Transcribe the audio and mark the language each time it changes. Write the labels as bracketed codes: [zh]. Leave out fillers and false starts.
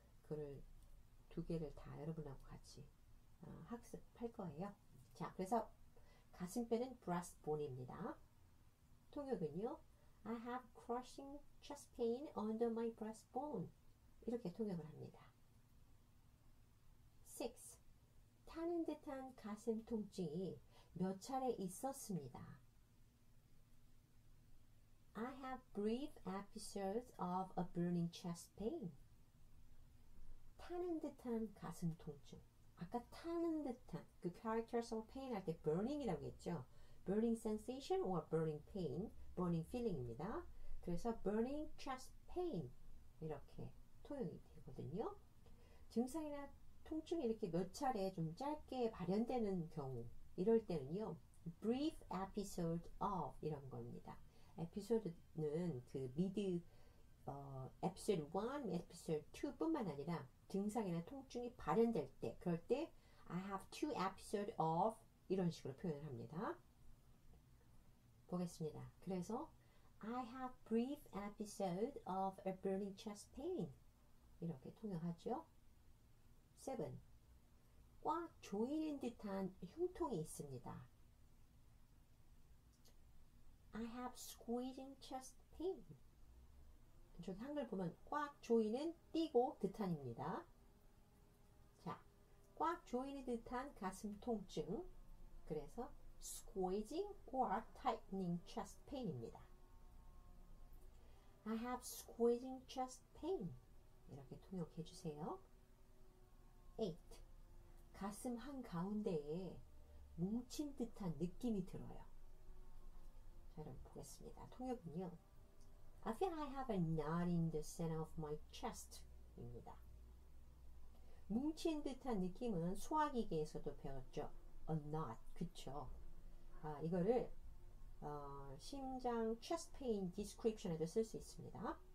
[ko] 그걸 두 개를 다 여러분하고 같이 학습할 거예요. 자, 그래서 가슴뼈는 brass bone입니다. 통역은요, [en] I have crushing chest pain under my brass bone. [ko] 이렇게 통역을 합니다. 6. 타는 듯한 가슴 통증이 몇 차례 있었습니다. [en] I have brief episodes of a burning chest pain. [ko] 타는 듯한 가슴 통증. 아까 타는 듯한, 그 [en] characters of pain [ko] 할때 burning이라고 했죠. [en] burning sensation or burning pain, burning feeling입니다. [ko] 그래서 [en] burning chest pain [ko] 이렇게 통역이 되거든요. 증상이나 통증이 이렇게 몇 차례 좀 짧게 발현되는 경우, 이럴 때는요, [en] brief episode of [ko] 이런 겁니다. 에피소드는 그 미드 에피소드 1, 에피소드 2뿐만 아니라 증상이나 통증이 발현될 때, 그럴 때 [en] I have two episodes of [ko] 이런 식으로 표현을 합니다. 보겠습니다. 그래서 [en] I have brief episode of a burning chest pain [ko] 이렇게 통역하죠. 7. 꽉 조이는 듯한 흉통이 있습니다. [en] I have squeezing chest pain. [ko] 저 한글 보면 꽉 조이는 띄고 듯한입니다. 자, 꽉 조이는 듯한 가슴 통증. [en] 그래서 squeezing or tightening chest pain입니다. I have squeezing chest pain. [ko] 이렇게 통역해 주세요. 8. 가슴 한가운데에 뭉친 듯한 느낌이 들어요. 자, 여러분 보겠습니다. 통역은요, [en] I feel I have a knot in the center of my chest 입니다. [ko] 뭉친 듯한 느낌은 소화기계에서도 배웠죠. A knot, 그쵸? 아, 이거를 심장 [en] chest pain description [ko] 에도 쓸수 있습니다.